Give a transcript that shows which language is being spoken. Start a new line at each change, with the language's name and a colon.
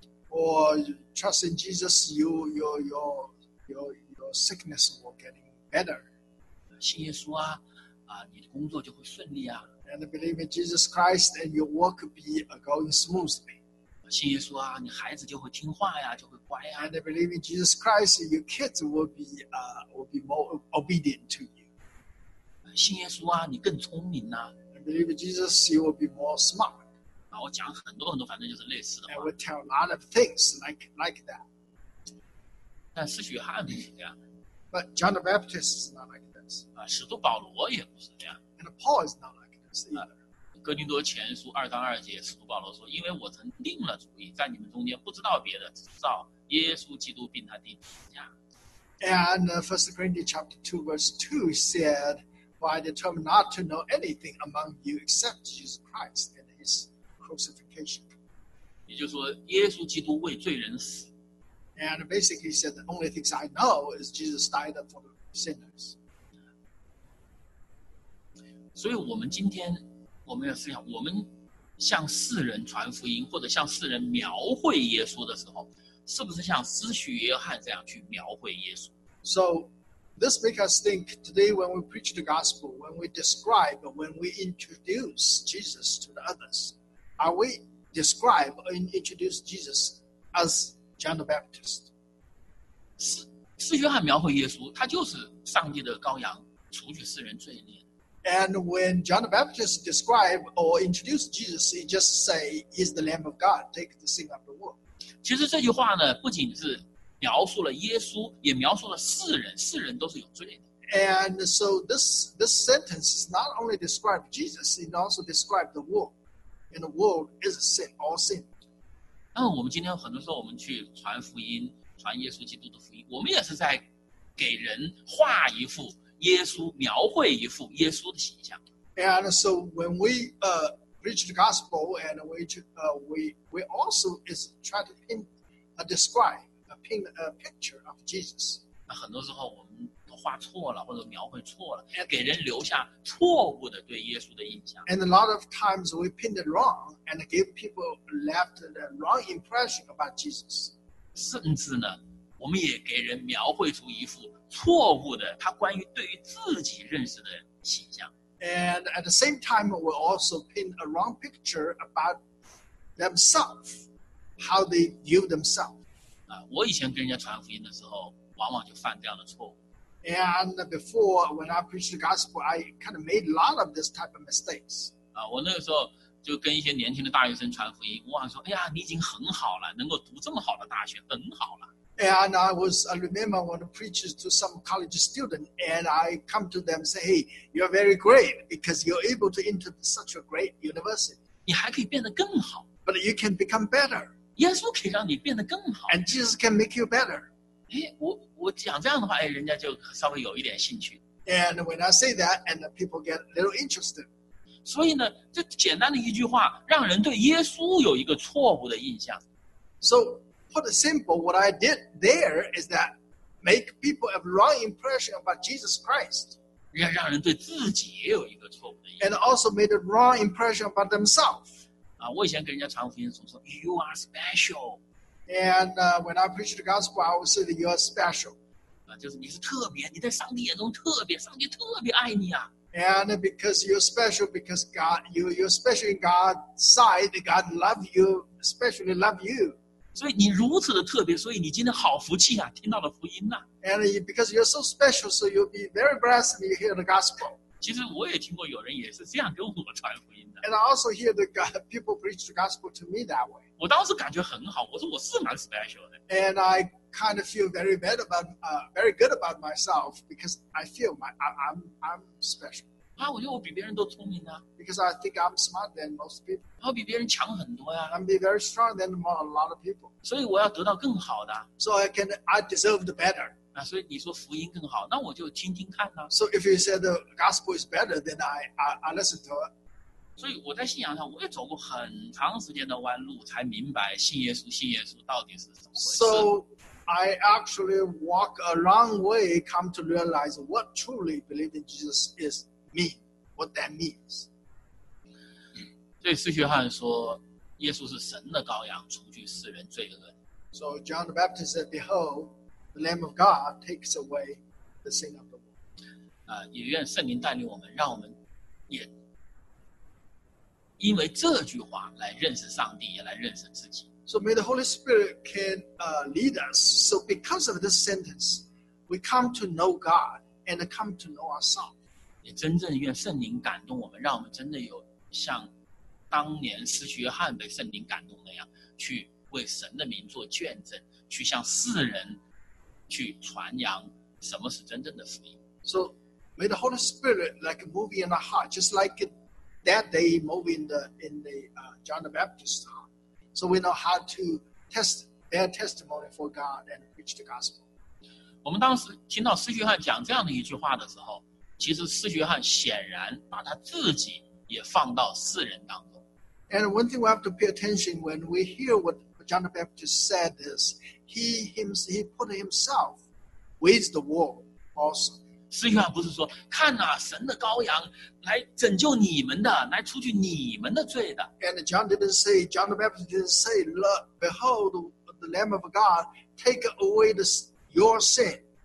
English: Or trust in Jesus, your sickness will getting better.
Chinese: 信耶稣啊，你的工作就会顺利啊。
English: And believe in Jesus Christ, and your work be going smoothly.
Chinese: 信耶稣啊，你孩子就会听话呀，就会乖呀。
English: And believe in Jesus Christ, your kids will be more obedient to you.
Chinese: 信耶稣啊，你更聪明呐。
English: And believe in Jesus, you will be more smart.
Chinese: 啊，我讲很多很多，反正就是类似的话。
English: And we tell a lot of things like that.
Chinese: 但使徒约翰不是这样。
English: But John the Baptist is not like this.
Chinese: 使徒保罗也不是这样。
English: And Paul is not like this either.
Chinese: 哥林多前书二章二节，使徒保罗说：“因为我曾定了主意，在你们中间不知道别的，只知道耶稣基督并他钉十字架。”
English: And First Corinthians chapter 2 verse 2 said, "For I determined not to know anything among you except Jesus Christ and His crucifixion."
Chinese: 也就是说，耶稣基督为罪人死。
English: And basically, he said the only things I know is Jesus died for the sinners.
Chinese: 所以我们今天我们要思想，我们向世人传福音或者向世人描绘耶稣的时候，是不是像司徒约翰这样去描绘耶稣？
English: So this makes us think today when we preach the gospel, when we describe, when we introduce Jesus to the others, are we describe or introduce Jesus as John the Baptist.
Chinese: 是约翰描绘耶稣，他就是上帝的羔羊，除去世人罪孽。
English: And when John the Baptist described or introduced Jesus, he just said, "He's the Lamb of God, take the sin of the world."
Chinese: 其实这句话呢，不仅是描述了耶稣，也描述了世人，世人都是有罪的。
English: And so this sentence is not only describe Jesus, it also describe the world, and the world is sin, all sin.
Chinese: 那我们今天很多时候我们去传福音，传耶稣基督的福音，我们也是在给人画一幅耶稣，描绘一幅耶稣的形象。
English: And so when we preach the gospel, and we also is try to paint a describe paint a picture of Jesus.
Chinese: 那很多时候我们画错了或者描绘错了，给人留下错误的对耶稣的印象。
English: And a lot of times we paint it wrong and give people left the wrong impression about Jesus.
Chinese: 甚至呢，我们也给人描绘出一幅错误的他关于对于自己认识的形象。
English: And at the same time, we also paint a wrong picture about themselves, how they view themselves.
Chinese: 啊，我以前跟人家传福音的时候，往往就犯这样的错误。
English: And before, when I preached the gospel, I kind of made a lot of this type of mistakes.
Chinese: 啊，我那个时候就跟一些年轻的大学生传福音，我想说，哎呀，你已经很好了，能够读这么好的大学，很好了。
English: And I remember when I preached to some college student, and I come to them and say, "Hey, you're very great because you're able to enter such a great university."
Chinese: 你还可以变得更好。
English: But you can become better.
Chinese: 耶稣可以让你变得更好。
English: And Jesus can make you better.
Chinese: 我讲这样的话，哎，人家就稍微有一点兴趣。
English: And when I say that, and people get a little interested.
Chinese: 所以呢，这简单的一句话，让人对耶稣有一个错误的印象。
English: So put it simple, what I did there is that make people have wrong impression about Jesus Christ.
Chinese: 让人对自己也有一个错误的印象。
English: And also made a wrong impression about themselves.
Chinese: 啊，我以前跟人家传福音总说 ，
English: You are special. And when I preach the gospel, I will say that you are special.
Chinese: 就是你是特别，你在上帝眼中特别，上帝特别爱你啊。
English: And because you're special, because God, you're special in God's sight, God loves you, especially love you.
Chinese: 所以你如此的特别，所以你今天好福气啊，听到了福音啊。
English: And because you're so special, so you'll be very blessed when you hear the gospel.
Chinese: 其实我也听过有人也是这样跟我传福音的。
English: And I also hear the people preach the gospel to me that way.
Chinese: 我当时感觉很好，我说我是蛮 special 的。
English: And I kind of feel very bad about, very good about myself because I feel I'm special.
Chinese: 啊，我觉得我比别人都聪明啊。
English: Because I think I'm smart than most people.
Chinese: 我比别人强很多呀。
English: I'm be very strong than a lot of people.
Chinese: 所以我要得到更好的。
English: So I deserve the better.
Chinese: 啊，所以你说福音更好，那我就听听看啊。
English: So if you said the gospel is better, then I listen to it.
Chinese: 所以我在信仰上我也走过很长时间的弯路，才明白信耶稣到底是怎么回事。
English: So I actually walk a long way, come to realize what truly believing Jesus is mean, what that means.
Chinese: 所以司约翰说，耶稣是神的羔羊，除去世人罪恶。
English: So John the Baptist said, "Behold, the Lamb of God takes away the sin of the world."
Chinese: 也愿圣灵带领我们，让我们也。因为这句话来认识上帝，也来认识自己。
English: So may the Holy Spirit can lead us. So because of this sentence, we come to know God and come to know ourselves.
Chinese: 也真正愿圣灵感动我们，让我们真的有像当年司约翰被圣灵感动那样，去为神的名做见证，去向世人去传扬什么是真正的福音。
English: So may the Holy Spirit like move in our heart, just like it. That day, moving in the John the Baptist's heart, so we know how to test their testimony for God and preach the gospel.
Chinese: 我们当时听到司约翰讲这样的一句话的时候，其实司约翰显然把他自己也放到世人当中。
English: And one thing we have to pay attention when we hear what John the Baptist said is he put himself with the world also.
Chinese: 司约翰不是说看啊，神的羔羊来拯救你们的，来除去你们的罪的。
English: And John didn't say, John the Baptist didn't say, "Look, behold, the Lamb of God, take away your sin."